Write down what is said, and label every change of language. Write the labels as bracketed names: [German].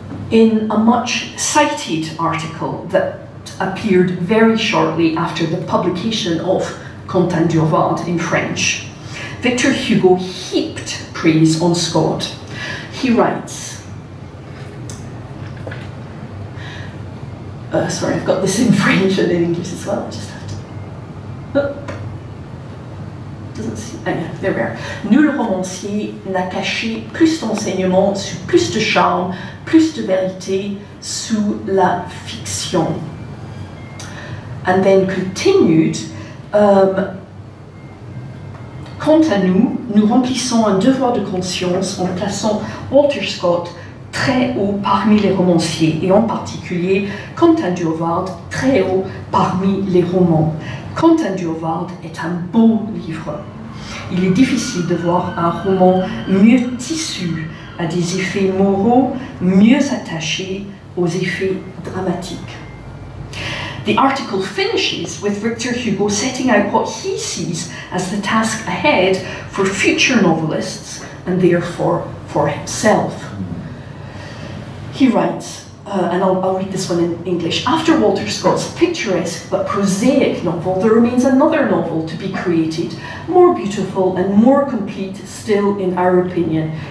[English] In a much cited article that appeared very shortly after the publication of Quentin Durward in French, Victor Hugo heaped praise on Scott. He writes, sorry, I've got this in French and in English as well, I just have to. [French] Nul romancier n'a caché plus d'enseignement, plus de charme, plus de vérité sous la fiction. [English] And then continued, [French] quant à nous, nous remplissons un devoir de conscience en plaçant Walter Scott très haut parmi les romanciers, et en particulier Quentin Durward très haut parmi les romans. Quentin Durward est un beau livre. Il est difficile de voir un roman mieux tissu, à des effets moraux mieux attachés aux effets dramatiques. [English] The article finishes with Victor Hugo setting out what he sees as the task ahead for future novelists and therefore for himself. He writes, and I'll read this one in English. After Walter Scott's picturesque but prosaic novel, there remains another novel to be created, more beautiful and more complete still in our opinion.